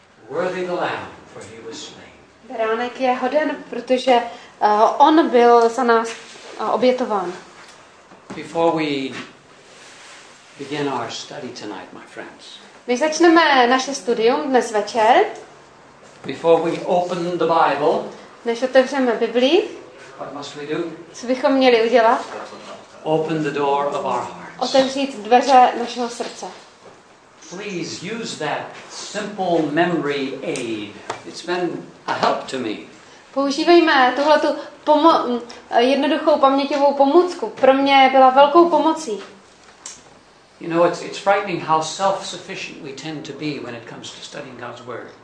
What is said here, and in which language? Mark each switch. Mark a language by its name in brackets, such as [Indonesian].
[English] Worthy the Lamb, for he was slain. Amen. [Czech] Je hoden, protože on byl za nás obětován. [English] Before we begin our study tonight, my friends. [Czech] Než začneme naše studium dnes večer. [English] Before we open the Bible. [Czech] Než otevřeme Bibli. [English] What must we do? [Czech] Co bychom měli udělat? [English] Open the door of our hearts. [Czech] Otevřít dveře našeho srdce. [English] Please use that simple memory aid. It's been a help to me. [Czech] Používejme tuhletu jednoduchou paměťovou pomůcku. Pro mě byla velkou pomocí. [English] You know, it's frightening how self-sufficient we tend to be when it comes to studying God's word.